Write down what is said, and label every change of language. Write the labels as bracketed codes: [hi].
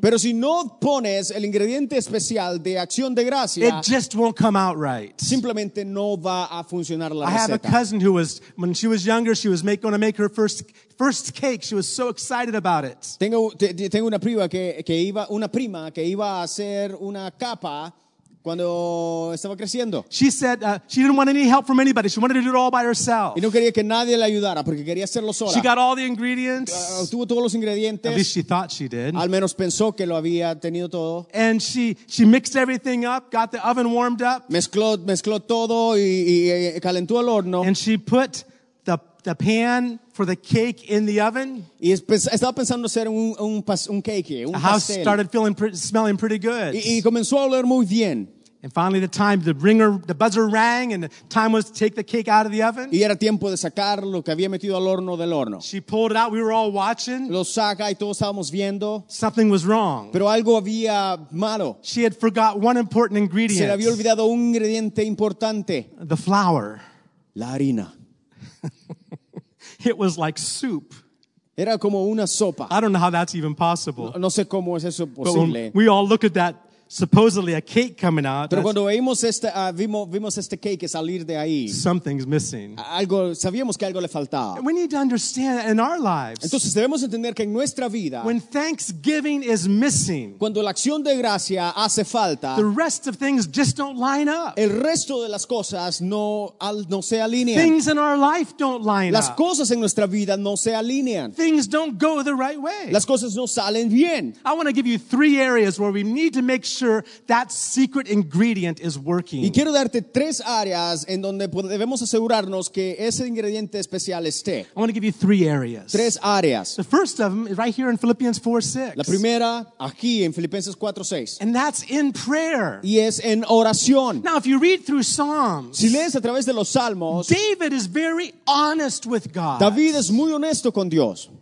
[es] pero si no pones el ingrediente especial de acción de gracia, [en] it just won't come out right. [es] Simplemente no va a funcionar la receta. [en] I have a cousin who was, when she was younger, she was going to make her first cake. She was so excited about it. [es] Tengo una prima que iba a hacer una capa cuando estaba creciendo. [en] She said she didn't want any help from anybody. She wanted to do it all by herself. [es] Y no quería que nadie la ayudara porque quería hacerlo sola. [en] She got all the ingredients. [es] Tuvo todos los ingredientes. [en] At least she thought she did. [es] Al menos pensó que lo había tenido todo. [en] And she mixed everything up, got the oven warmed up. [es] Mezcló todo y calentó el horno. [en] And she put the pan for the cake in the oven. [es] Y estaba pensando hacer un cake, un pastel. [en] The house started feeling smelling pretty good. [es] Y comenzó a oler muy bien. [en] And finally the buzzer rang and the time was to take the cake out of the oven. [es] Y era tiempo de sacar lo que había metido al horno del horno. [en] She pulled it out, we were all watching. [es] Lo saca y todos estábamos viendo. [en] Something was wrong. [es] Pero algo había malo. [en] She had forgot one important ingredient. [es] Se le había olvidado un ingrediente importante. [en] The flour. [es] La harina. [en] It was like soup. [es] Era como una sopa. [en] I don't know how that's even possible. [es] No sé cómo es eso posible. [en] But when we all look at that, supposedly a cake coming out. [es] Pero cuando vimos este cake salir de ahí. [en] Something's missing. [es] Algo, sabíamos que algo le faltaba. [en] We need to understand in our lives. [es] Entonces debemos entender que en nuestra vida. [en] When thanksgiving is missing. [es] Cuando la acción de gracia hace falta. [en] The rest of things just don't line up. [es] El resto de las cosas no se alinean. [en] Things in our life don't line up. [es] Las cosas en nuestra vida no se alinean. [en] Things don't go the right way. [es] Las cosas no salen bien. [en] I want to give you three areas where we need to make sure that secret ingredient is working. [es] Y quiero darte tres áreas en donde debemos asegurarnos que ese ingrediente especial esté. [en] I want to give you three areas. [es] Tres áreas. [en] The first of them is right here in Philippians 4:6. [es] La primera aquí en Filipenses 4:6. [en] And that's in prayer. [es] Y es en oración. [en] Now if you read through Psalms, [es] si lees a través de los Salmos, [en] David is very honest with God. [es] David es muy honesto con Dios.